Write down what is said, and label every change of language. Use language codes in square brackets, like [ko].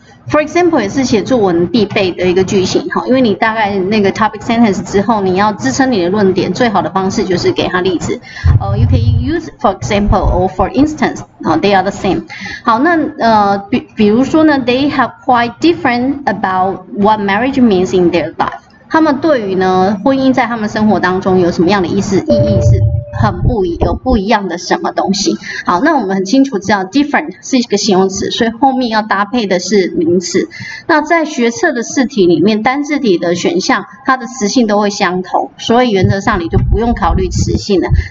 [zh] For example 也是写作文必备的一个句型哈，因为你大概那个 topic sentence 之后，你要支撑你的论点，最好的方式就是给他例子。 [en] You can use for example or for instance. They are the same. 好，那比如说呢， they have quite different about what marriage means in their life. [zh] 他们对于呢婚姻在他们生活当中有什么样的意思意义是？有不一样的什么东西。好，那我们很清楚知道 different 是一个形容词，所以后面要搭配的是名词。那在学测的试题里面，单字体的选项它的词性都会相同，所以原则上你就不用考虑词性了。